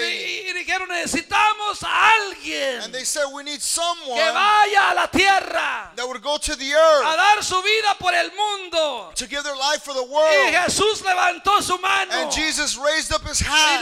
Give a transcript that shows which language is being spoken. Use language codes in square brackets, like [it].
[es] Y dijeron, necesitamos a alguien. [en] And they said, we need someone [es] que vaya a la tierra. [en] That would go to the earth. [es] A dar su vida por el mundo. [en] To give their life for the world. [es] Y Jesús levantó su mano. [en] And Jesus raised up his hand.